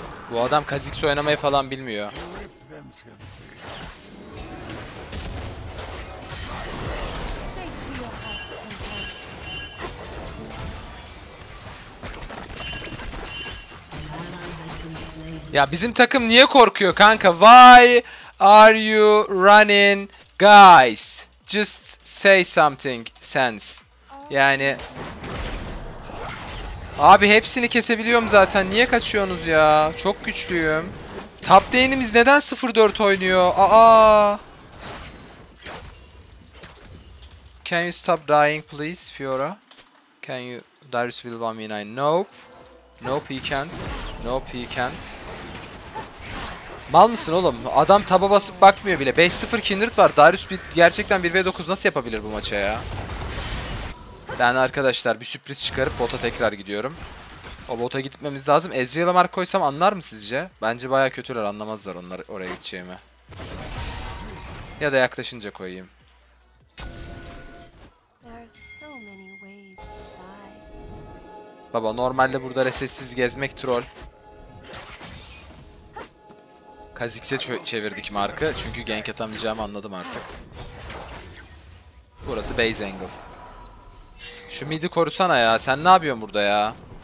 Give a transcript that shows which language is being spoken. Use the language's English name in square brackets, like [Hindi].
[Turkish] Bu adam Kha'Zix oynamayı falan bilmiyor. Ya bizim takım niye korkuyor kanka? [English] Why are you running, guys? Just say something sense. [Turkish] Yani abi hepsini kesebiliyorum zaten. Niye kaçıyorsunuz ya? Çok güçlüyüm. Top lane'imiz neden 0-4 oynuyor? Aa. [English] Can you stop dying please, Fiora? Can you Darius will 1v9? Nope. Nope, he can't. Nope, he can't. [Turkish] Mal mısın oğlum? Adam taba basıp bakmıyor bile. 5-0 Kindred var. Darius bir, gerçekten 1v9 nasıl yapabilir bu maça ya? Ben arkadaşlar bir sürpriz çıkarıp bota tekrar gidiyorum. O bota gitmemiz lazım. Ezreal'a mark koysam anlar mı sizce? Bence bayağı kötüler, anlamazlar onlar oraya gideceğimi. Ya da yaklaşınca koyayım. [English] There are so many ways to [Turkish] Baba normalde burada resetsiz gezmek troll. Kha'Zix'e çevirdik markı. Çünkü gank atamayacağımı anladım artık. Burası base angle. Şu mid'i korusana ya. Sen ne yapıyorsun burada ya?